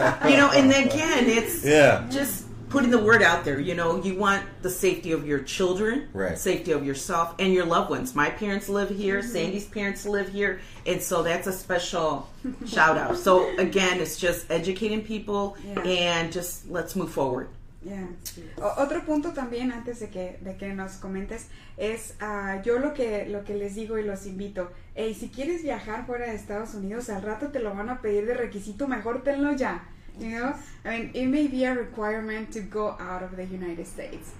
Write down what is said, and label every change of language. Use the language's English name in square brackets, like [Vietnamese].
[English] You know, and again, it's just putting the word out there. You know, you want the safety of your children, safety of yourself, and your loved ones. My parents live here. Mm-hmm. Sandy's parents live here. And so that's a special shout out. So again, it's just educating people and just let's move forward. Yeah. [Spanish] Otro punto también antes de que nos comentes es yo lo que les digo y los invito, hey, si quieres viajar fuera de Estados Unidos, al rato te lo van a pedir de requisito, mejor tenlo ya. [English] You know, I mean, it may be a requirement to go out of the United States.